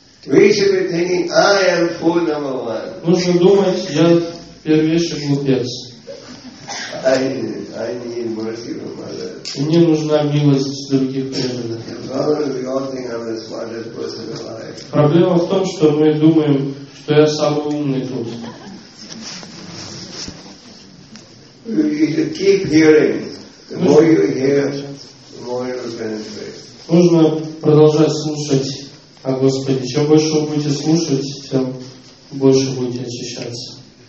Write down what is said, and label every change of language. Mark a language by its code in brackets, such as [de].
[en] We should be thinking, I am fool number one. [ru] Нужно думать, я первейший глупец. [en] I need mercy from others. [ru] И мне нужна милость других преданных. [en] In problem, we all think I'm the smartest person alive. [ru] Проблема в том, что мы думаем, что я самый умный тут. [en] You should keep hearing. The more you hear, more [ru] нужно продолжать слушать о Господе. Чем больше вы будете слушать, тем больше будете очищаться.